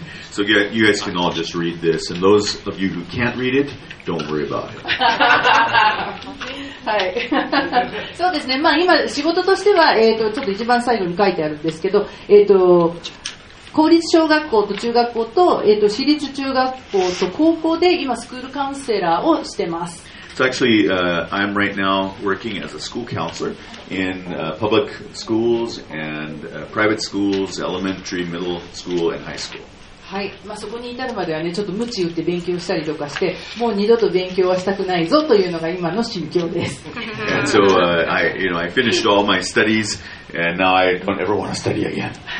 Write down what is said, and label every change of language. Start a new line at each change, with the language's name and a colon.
English: So yeah, you guys can all just read this and those of you who can't read it don't worry about it.
Japanese: はい、そうですね、まあ、今仕事としては、ちょっと一番最後に書いてあるんですけど、公立小学校と中学校 と、私立中学校と高校で今スクールカウンセラーをしてます。
English: So actually、I'm right now working as a school counselor in、public schools and、private schools, elementary, middle school and high school。
Japanese: はい、まあ、そこに至るまではねちょっと鞭打って勉強したりとかしてもう二度と勉強はしたくないぞというのが今の心境です。
English: And so、I, you know, I finished all my studies and now I don't ever want to study again.